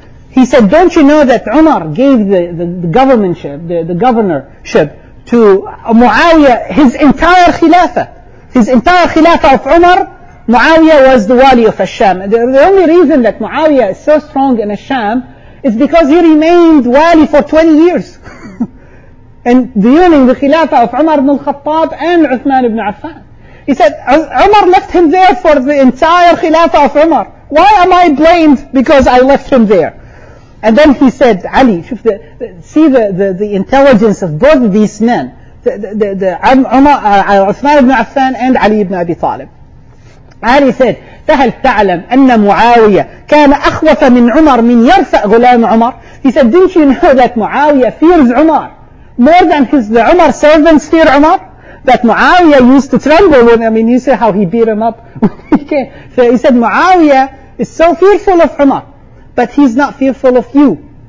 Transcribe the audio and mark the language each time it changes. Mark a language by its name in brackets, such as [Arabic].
[English] He said, don't you know that Umar gave the governorship, the governorship to Muawiyah, his entire khilafah. His entire khilafah of Umar, Muawiyah was the wali of Al-Sham. The only reason that Muawiyah is so strong in Al-Sham is because he remained wali for 20 years. And during the khilafah of Umar ibn al-Khattab and Uthman ibn Affan. He said, Umar left him there for the entire khilafah of Umar. Why am I blamed because I left him there? And then he said, Ali, see the intelligence of both of these men. Uthman ibn Affan and Ali ibn Abi Talib. Ali said, [Arabic] فَهَلْ تَعْلَمْ أَنَّ مُعَاوِيَةَ كَانَ أَخْوَفَ مِنْ عُمَرٍ مِنْ يَرْفَأْ غُلَامُ عُمَرٍ. [English] He said, didn't you know that Muawiyah fears Umar more than the Umar servants fear Umar? That Muawiyah used to tremble when, I mean, you see how he beat him up. So he said, Muawiyah is so fearful of Umar, but he's not fearful of you.